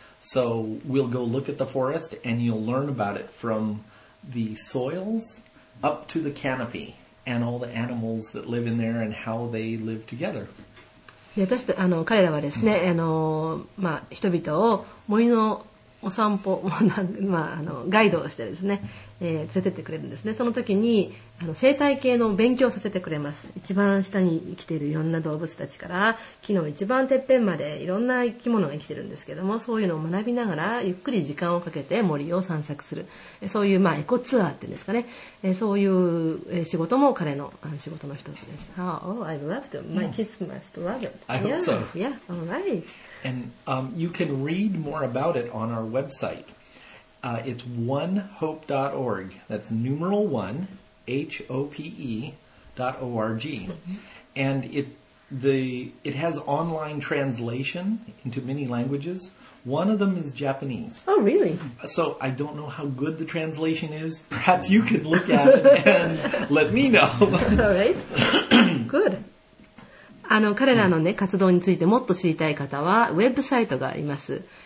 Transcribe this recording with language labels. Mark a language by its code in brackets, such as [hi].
[en] So we'll go look at the forest and you'll learn about it from the soils up to the canopy and all the animals that live in there and how they live together. [ja] で私あの彼らはですね、うんまあ、人々を森のお散歩、まあ、あのガイドをしてですね、連れてってくれるんですね。その時にあの生態系の勉強させてくれます。一番下に生きているいろんな動物たちから木の一番てっぺんまでいろんな生き物が生きてるんですけども、そういうのを学びながらゆっくり時間をかけて森を散策する、そういう、まあ、エコツアーっていうんですかね、そういう仕事も彼 の, あの仕事の一つです。 [en] Oh, I'd love to. My kids must love it. I hope so. Yeah, all right. And you can read more about it on our website. It's onehope.org. That's numeral one. hope.org. And it has online translation into many languages. One of them is Japanese. Oh, really? So I don't know how good the translation is. Perhaps you could look at it and let me know. All right. Good. [ja] あの、彼らのね、活動についてもっと知りたい方は、ウェブサイトがあります。